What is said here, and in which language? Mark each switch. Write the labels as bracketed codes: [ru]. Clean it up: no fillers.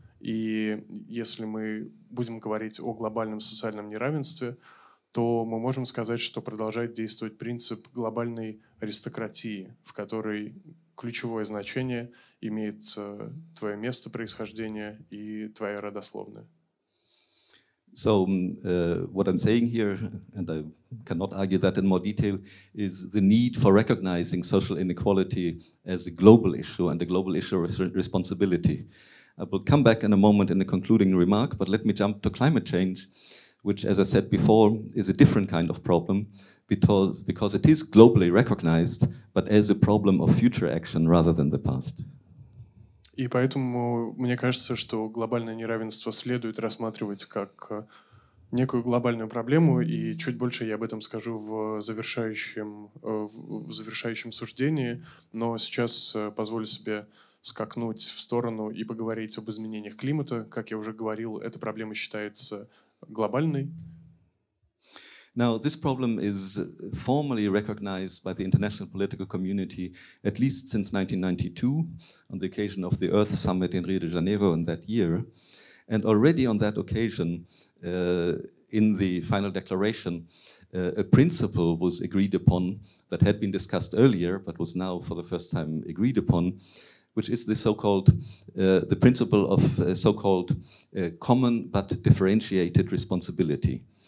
[ru] И если мы будем говорить о глобальном социальном неравенстве, то мы можем сказать, что продолжает действовать принцип глобальной аристократии, в которой ключевое значение имеет твое место происхождения и твоя родословная. [en] So what I'm saying here, and I cannot argue that in more detail, is the need for recognizing social inequality as a global issue and a global issue of responsibility. I will come back in a moment in a concluding remark, but let me jump to climate change, which, as I said before, is a different kind of problem because it is globally recognized, but as a problem of future action rather than the past. [ru] И поэтому мне кажется, что глобальное неравенство следует рассматривать как некую глобальную проблему, и чуть больше я об этом скажу в завершающем суждении, но сейчас позволю себе скакнуть в сторону и поговорить об изменениях климата. Как я уже говорил, эта проблема считается глобальной. [en] Now, this problem is formally recognized by the international political community at least since 1992, on the occasion of the Earth Summit in Rio de Janeiro in that year. And already on that occasion, in the final declaration, a principle was agreed upon that had been discussed earlier, but was now for the first time agreed upon, which is the so-called, the principle of so-called common but differentiated responsibility.